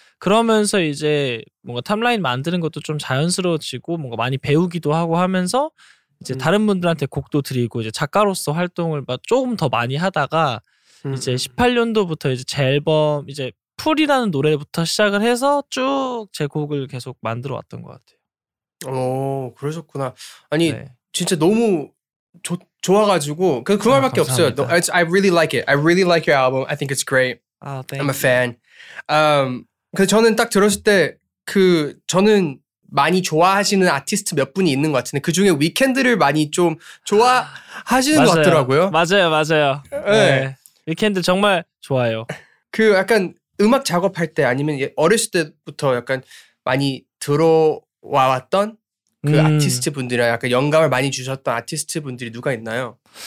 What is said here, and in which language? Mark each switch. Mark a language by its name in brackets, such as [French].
[Korean] 그러면서 이제 뭔가 탑라인 만드는 것도 좀 자연스러워지고 뭔가 많이 배우기도 하고 하면서 이제 다른 분들한테 곡도 드리고 이제 작가로서 활동을 막 조금 더 많이 하다가 이제 18년도부터 이제 제 앨범 이제 풀이라는 노래부터 시작을 해서 쭉 제 곡을 계속 만들어 왔던 것 같아요. 그러셨구나. 아니 네. 진짜 너무 좋아가지고 그 말밖에 없어요. [English] I really like it. I really like your album. I think it's great. I'm a fan. [Korean] 그 저는 딱 들었을 때 그 저는 많이 좋아하시는 아티스트 몇 분이 있는 것 같은데 그 중에 위켄드를 많이 좀 좋아하시는 것 같더라고요. 맞아요, 맞아요. 네. 네, 위켄드 정말 좋아요. 그 약간 음악 작업할 때 아니면 어렸을 때부터 약간 많이 들어왔던 그 아티스트 분들이랑 약간 영감을 많이 주셨던 아티스트 분들이 누가 있나요?